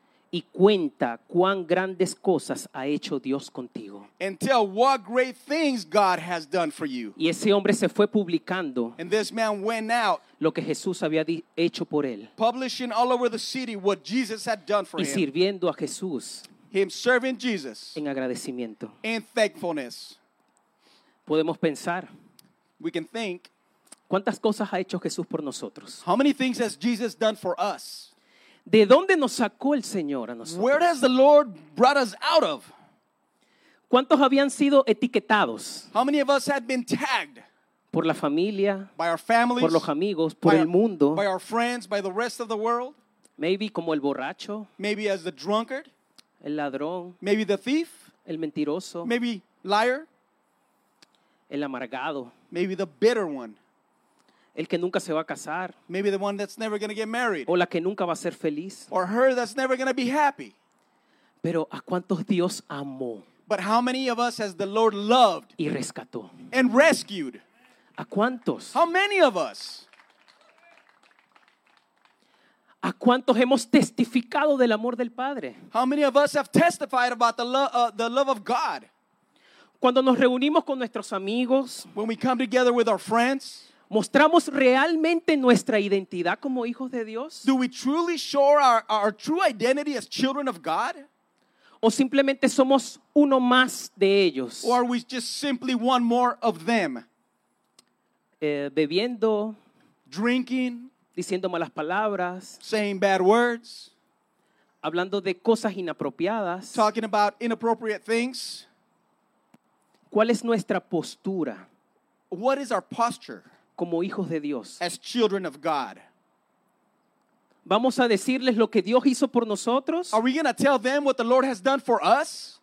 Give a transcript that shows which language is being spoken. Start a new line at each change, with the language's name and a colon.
Spanish: Y cuenta cuán grandes cosas ha hecho Dios contigo.
English: And tell what great things God has done for you.
Spanish: Y ese hombre se fue publicando.
English: And this man went out.
Spanish: Lo que Jesús había hecho por él.
English: Publishing all over the city what Jesus had done for him.
Spanish: Y sirviendo a Jesús.
English: Him serving Jesus.
Spanish: En agradecimiento.
English: In thankfulness.
Spanish: Podemos pensar.
English: We can think.
Spanish: ¿Cuántas cosas ha hecho Jesús por nosotros?
English: How many things has Jesus done for us?
Spanish: ¿De dónde nos sacó el Señor a nosotros?
English: Where has the Lord brought us out of?
Spanish: ¿Cuántos habían sido etiquetados?
English: How many of us had been tagged?
Spanish: Por la familia,
English: by our families,
Spanish: por los amigos, por el mundo.
English: By our friends, by the rest of the world. Maybe
Spanish: como el borracho.
English: Maybe as the drunkard.
Spanish: El ladrón.
English: Maybe the thief.
Spanish: El mentiroso.
English: Maybe liar.
Spanish: El amargado.
English: Maybe the bitter one.
Spanish: El que nunca se va a casar.
English: Maybe the one that's never going to get married.
Spanish: O la que nunca va a ser feliz.
English: Or her that's never going to be happy.
Spanish: Pero ¿a cuántos Dios amó?
English: But how many of us has the Lord loved?
Spanish: Y rescató.
English: And rescued.
Spanish: ¿A cuántos?
English: How many of us?
Spanish: ¿A cuántos hemos testificado del amor del Padre?
English: How many of us have testified about the love of God?
Spanish: Cuando nos reunimos con nuestros amigos.
English: When we come together with our friends.
Spanish: ¿Mostramos realmente nuestra identidad como hijos de Dios?
English: Do we truly show our true identity as children of God?
Spanish: ¿O simplemente somos uno más de ellos?
English: Or are we just simply one more of them?
Spanish: Bebiendo.
English: Drinking.
Spanish: Diciendo malas palabras.
English: Saying bad words.
Spanish: Hablando de cosas inapropiadas.
English: Talking about inappropriate things.
Spanish: ¿Cuál es nuestra postura?
English: What is our posture?
Spanish: Como hijos de Dios.
English: As children of God.
Spanish: ¿Vamos a decirles lo que Dios hizo por nosotros?
English: Are we going to tell them what the Lord has done for us?